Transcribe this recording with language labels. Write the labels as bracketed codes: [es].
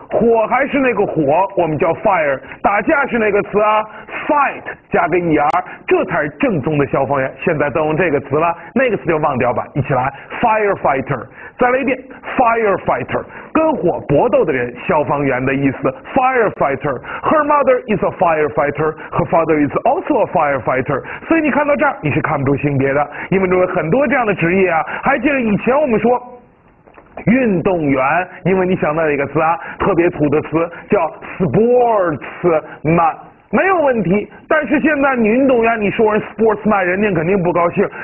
[zh] 火还是那个火，我们叫 fire， 打架是那个词啊， fight 加个 er， 这才是正宗的消防员，现在都用这个词了，那个词就忘掉吧。一起来 firefighter。再来一遍 firefighter， 跟火搏斗的人，消防员的意思 firefighter。 [en] Her mother is a firefighter， her father is also a firefighter。 [zh] 所以你看到这儿你是看不出性别的，因为有很多这样的职业啊。还记得以前我们说运动员，因为你想到一个词啊，特别土的词叫 sportsman， 没有问题。但是现在你运动员，你说人 sportsman， 人家肯定不高兴。